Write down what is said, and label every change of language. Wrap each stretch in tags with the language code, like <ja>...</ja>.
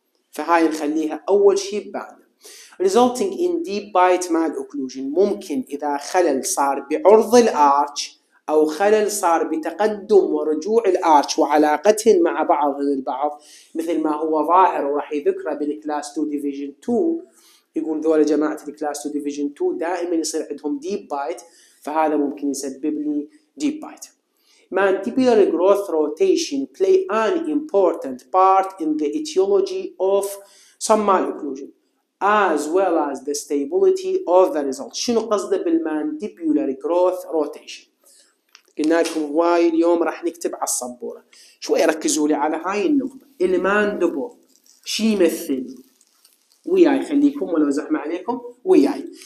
<ar>فهاي نخليها اول شيء بعد.</ar> <en>resulting in deep bite mal occlusion،</en> <ar>ممكن اذا خلل صار بعرض الارتش او خلل صار بتقدم ورجوع الارتش وعلاقتهن مع بعض البعض، مثل ما هو ظاهر وراح يذكره بالكلاس 2 ديفيجن 2. يقول ذول جماعة الكلاس 2 ديفيجن 2 دائما يصير عندهم ديب بايت، فهذا ممكن يسبب لي ديب بايت.</ar> <en>Mandibular growth rotation play an important part in the etiology of some malocclusion as well as the stability of the result.</en> <ar>شنو قصده بالmandibular growth rotation؟ قلنا لكم هواي اليوم راح نكتب على الصبورة، شوي ركزوا لي على هاي النقطة. الماندبو شي يمثل وياي، خليكم ولو زحمة عليكم وياي.</ar>